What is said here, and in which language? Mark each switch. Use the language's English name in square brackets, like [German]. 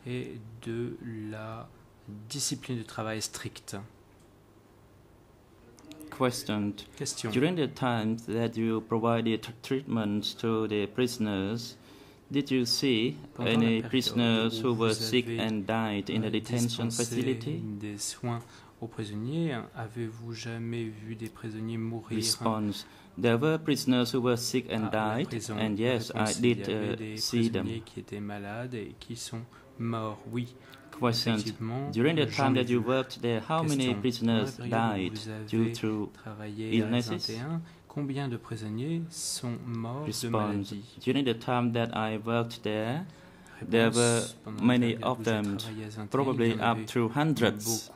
[French] et de la discipline de travail stricte. [English] Question. During the time that you provided treatment to the prisoners, did you see any prisoners who were sick and died in the detention facility? [French] Des soins aux prisonniers, avez-vous jamais vu des prisonniers mourir? [English] Response. There were prisoners who were sick and died, and yes, I did see them. [French] Qui étaient malades et qui sont morts, oui. [English] Question. During the time that you worked there, how many prisoners died due to illnesses? [French] Combien de prisonniers sont morts de maladie? [English] During the time that I worked there, there were many of them, probably up to hundreds.